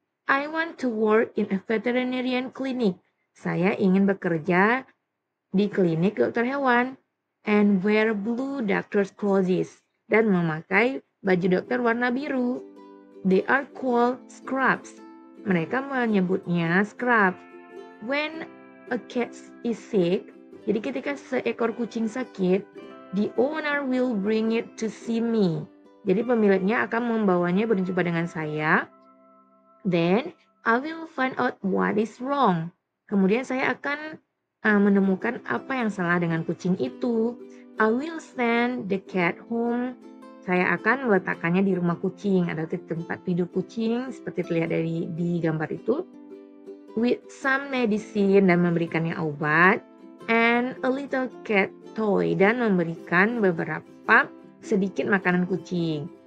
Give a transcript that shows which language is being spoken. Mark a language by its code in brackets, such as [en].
[en] I want to work in a veterinarian clinic. [id] Saya ingin bekerja di klinik dokter hewan. [en] And wear blue doctor's clothes. [id] Dan memakai baju dokter warna biru. [en] They are called scrubs. [id] Mereka menyebutnya scrub. [en] When a cat is sick, [id] jadi ketika seekor kucing sakit, [en] the owner will bring it to see me. [id] Jadi pemiliknya akan membawanya berjumpa dengan saya. [en] Then, I will find out what is wrong. [id] Kemudian saya akan menemukan apa yang salah dengan kucing itu. [en] I will send the cat home. [id] Saya akan meletakkannya di rumah kucing. Ada tempat tidur kucing seperti terlihat dari di gambar itu. [en] With some medicine [id] dan memberikannya obat. [en] And a little cat toy [id] dan memberikan beberapa sedikit makanan kucing.